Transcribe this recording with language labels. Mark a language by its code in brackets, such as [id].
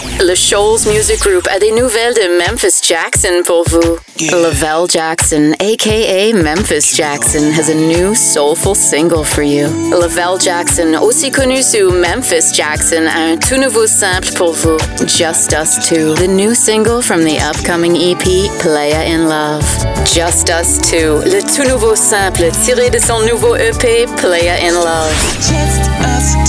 [fr] Le Shoals Music Group a des nouvelles de Memphis Jackson pour vous. [en] Yeah. Lavelle Jackson, a.k.a. Memphis Jackson, has a new soulful single for you. [fr] Lavelle Jackson, aussi connu sous Memphis Jackson, a un tout nouveau simple pour vous. [en] Just Us 2, the new single from the upcoming EP, Playa in Love. [fr] Just Us 2, le tout nouveau simple tiré de son nouveau EP, Playa in Love.